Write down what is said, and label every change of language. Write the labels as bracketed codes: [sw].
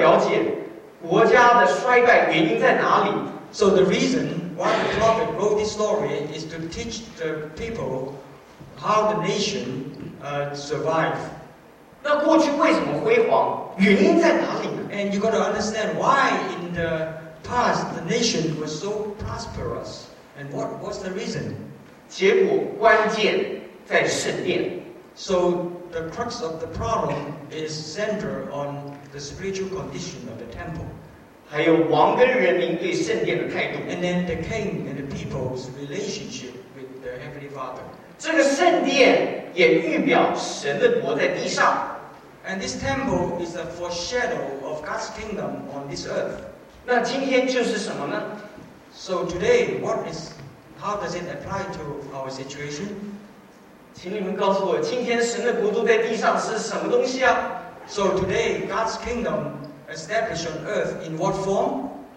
[zh] 所以作者写下来就是要告诉他们，让读者了解国家的衰败原因在哪里。 [en] So the reason why the prophet wrote this story is to teach the people how the nation survived. [zh] 那过去为什么辉煌？原因在哪里？ [en] And you got to understand why in the past the nation was so prosperous. And what's the reason? [zh] 结果关键在圣殿。 [en] So the crux of the problem is centered on the spiritual condition of the temple. [zh] 还有王跟人民对圣殿的态度, [en] and then the king and the people's relationship with the Heavenly Father. [zh] 这个圣殿也预表神的国在地上, [en] and this temple is a foreshadow of God's kingdom on this earth. [zh] 那今天就是什么呢? [en] So today, what is, how does it apply to our situation? [zh] 请你们告诉我,今天神的国度在地上是什么东西啊? [en] So today, God's kingdom established on earth in what form?